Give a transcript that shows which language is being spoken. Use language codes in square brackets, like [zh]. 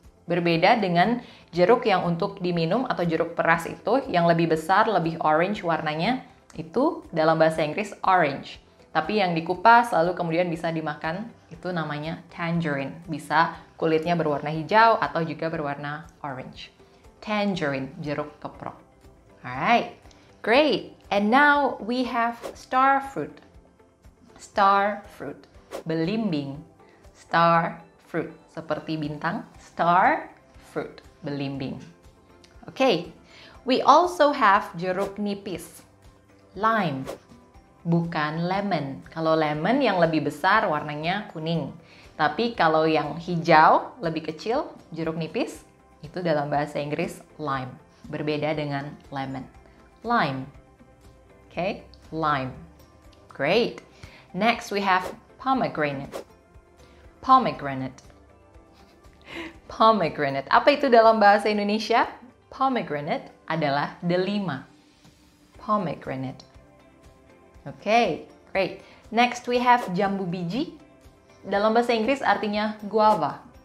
[id] Berbeda dengan jeruk yang untuk diminum atau jeruk peras itu yang lebih besar, lebih orange warnanya, itu dalam bahasa Inggris orange. Tapi yang dikupas lalu kemudian bisa dimakan itu namanya tangerine. Bisa kulitnya berwarna hijau atau juga berwarna orange. [en] Tangerine, jeruk keprok. Alright, great. And now we have star fruit. Star fruit, belimbing. Star fruit, [id] seperti bintang. [en] Star fruit, belimbing. Okay, we also have jeruk nipis, lime, [id] bukan [en] lemon. [id] Kalau lemon yang lebih besar warnanya kuning, tapi kalau yang hijau lebih kecil, jeruk nipis, itu dalam bahasa Inggris lime, berbeda dengan lemon. [en] Lime, okay, lime, great. Next we have pomegranate. Pomegranate. [id] Apa itu dalam bahasa Indonesia? Pomegranate adalah delima. Pomegranate. [en] Okay, great. Next we have jambu biji. [id] Dalam bahasa Inggris artinya guava.